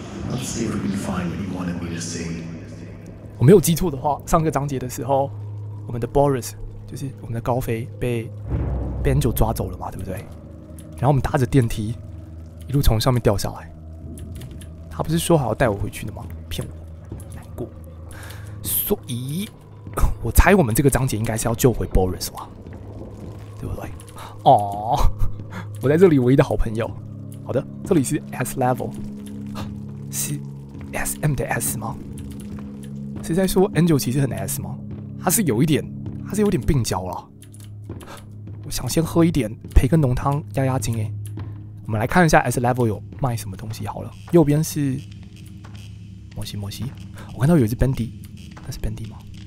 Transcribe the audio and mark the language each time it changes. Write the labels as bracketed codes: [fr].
[en] Let's see if we can find what you wanted me to see. [zh] 我没有记错的话，上个章节的时候，我们的 Boris 就是我们的高飞被 Banjo 抓走了嘛，对不对？然后我们搭着电梯。一路从上面掉下来，他不是说好要带我回去的吗？骗我，难过。所以，我猜我们这个章节应该是要救回 Boris 吧，对不对？哦，我在这里唯一的好朋友。好的，这里是 S level， 是 S M 的 S 吗？是在说 Angel 其实很 S 吗？他是有点病娇了。我想先喝一点培根浓汤压压惊哎。我们来看一下 S level 有卖什么东西好了。右边是摩西，我看到有一只 Bandy， 那是 Bandy 吗？